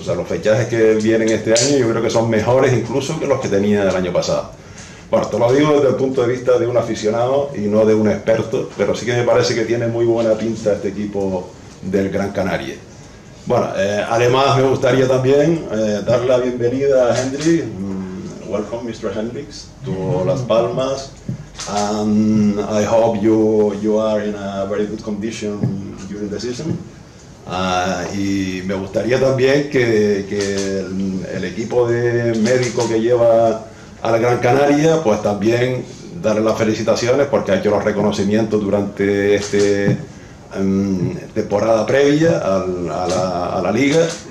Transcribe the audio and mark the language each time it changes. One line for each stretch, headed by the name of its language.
Spanish: O sea, los fichajes que vienen este año yo creo que son mejores incluso que los que tenía el año pasado. Bueno, te lo digo desde el punto de vista de un aficionado y no de un experto, pero sí que me parece que tiene muy buena pinta este equipo del Gran Canaria. Bueno, además me gustaría también dar la bienvenida a Henry.
English: Welcome, Mr. Hendrix, to Las Palmas. And I hope you are in a very good condition during the season.
Spanish: Y me gustaría también que el equipo de médico que lleva al Gran Canaria, pues también darle las felicitaciones porque ha hecho los reconocimientos durante esta temporada previa a la liga.